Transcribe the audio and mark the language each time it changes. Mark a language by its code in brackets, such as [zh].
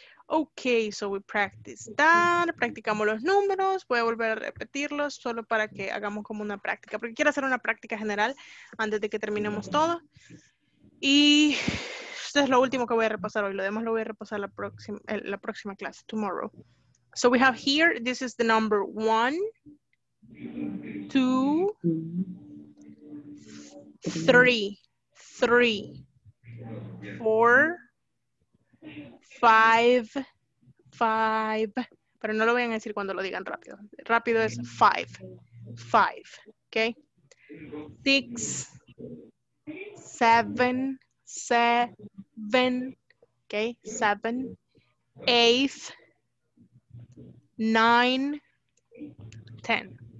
[en] Okay, so we practice that. [es] Practicamos los números. Voy a volver a repetirlos solo para que hagamos como una práctica, porque quiero hacer una práctica general antes de que terminemos todo. Y esto es lo último que voy a repasar hoy. Lo demás lo voy a repasar la próxima clase, tomorrow. [en] So we have here, this is the number 1, 2, 3, 4, 5, 5. [es] Pero no lo vayan a decir cuando lo digan rápido. Rápido es 5, 5. Okay. [en] 6, 7, 7. Okay. 7, 8, 9, 10.